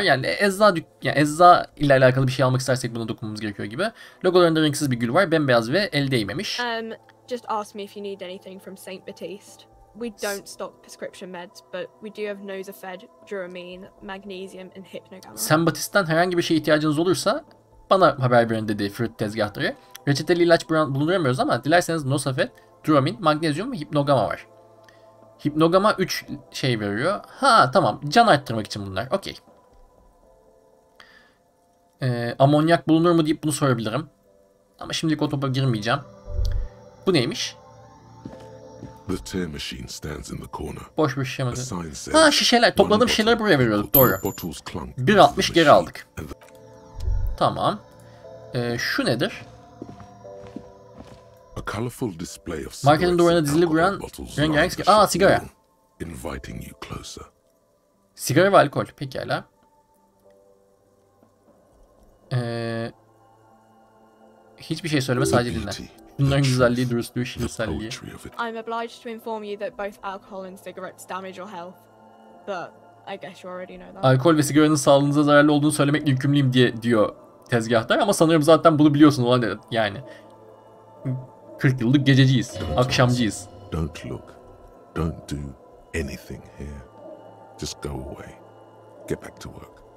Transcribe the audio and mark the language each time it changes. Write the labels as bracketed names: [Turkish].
[Turkish] Yani eczacı ile alakalı bir şey almak istersek buna dokunmamız gerekiyor gibi. Logolarında renksiz bir gül var. Bembeyaz ve el değmemiş. [English] Just ask me if you need anything from Saint Baptiste. We don't stock prescription meds, but we do have Nozafed, Duramine, Magnesium and Hypnogamma. [Turkish] Saint Baptiste'den herhangi bir şey ihtiyacınız olursa bana haber verin dedi Fırat tezgahtarı. Reçeteli ilaç bulunduramıyoruz ama dilerseniz Nozafed, Duramine, Magnesium ve Hypnogamma var. Hypnogamma 3 şey veriyor. Ha tamam, can arttırmak için bunlar. Okey. Amonyak bulunur mu deyip bunu sorabilirim. Ama şimdilik o topa girmeyeceğim. Bu neymiş? [English] The tear machine stands in the corner. [Turkish] Boş bir şişe mi? Ha şişeler. Topladığım şişeleri buraya veriyorduk. Doğru. 1.60 geri aldık. Tamam. Şu nedir? [English] A colorful display of [Turkish] cigarettes. Marketin duvarına dizili duran rengarenk sigara. Aa sigara. [English] Inviting you closer. [Turkish] Sigara ve alkol. Pekala. Hiçbir şey söyleme sadece dinle. Bunların güzelliği, dürüstlüğü, şiirselliği. [English] I'm obliged to inform you that both alcohol and cigarettes damage your health. But I guess you already know that. [Turkish] Alkol ve sigaranın sağlığınıza zararlı olduğunu söylemekle yükümlüyüm diye diyor tezgahtar ama sanırım zaten bunu biliyorsun olan yani. 40 yıllık gececiyiz, akşamcıyız. [English] Don't look. Don't do anything here. Just go away. Get back to work.